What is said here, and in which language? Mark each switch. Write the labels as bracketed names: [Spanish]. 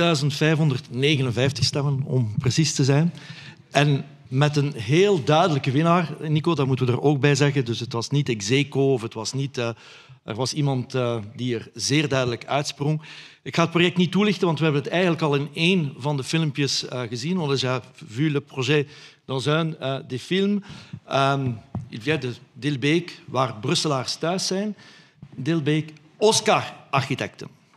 [Dutch] 3559 stemmen, om precies te zijn. En met een heel duidelijke winnaar, Nico, dat moeten we er ook bij zeggen. Dus het was niet Execo of het was niet... Er was iemand die er zeer duidelijk uitsprong. Ik ga het project niet toelichten, want we hebben het eigenlijk al in één van de filmpjes gezien. [French] On a déjà vu le projet dans un des films. Il vient de Dilbeek, [Dutch] waar Brusselaars thuis zijn. Dilbeek, Oscar-architecten.